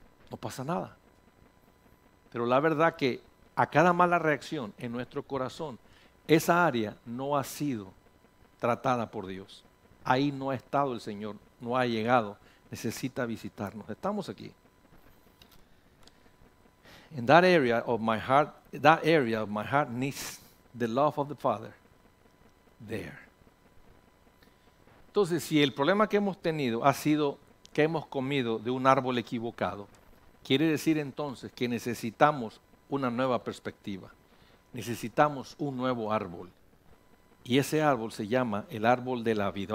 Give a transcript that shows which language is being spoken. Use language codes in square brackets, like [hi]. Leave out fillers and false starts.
[es] No pasa nada. Pero la verdad que a cada mala reacción en nuestro corazón, esa área no ha sido tratada por Dios. Ahí no ha estado el Señor, no ha llegado. Necesita visitarnos. Estamos aquí. [en] In that area of my heart, that area of my heart needs the love of the Father. There. [es] Entonces, si el problema que hemos tenido ha sido que hemos comido de un árbol equivocado, quiere decir entonces que necesitamos una nueva perspectiva. Necesitamos un nuevo árbol. Y ese árbol se llama el árbol de la vida.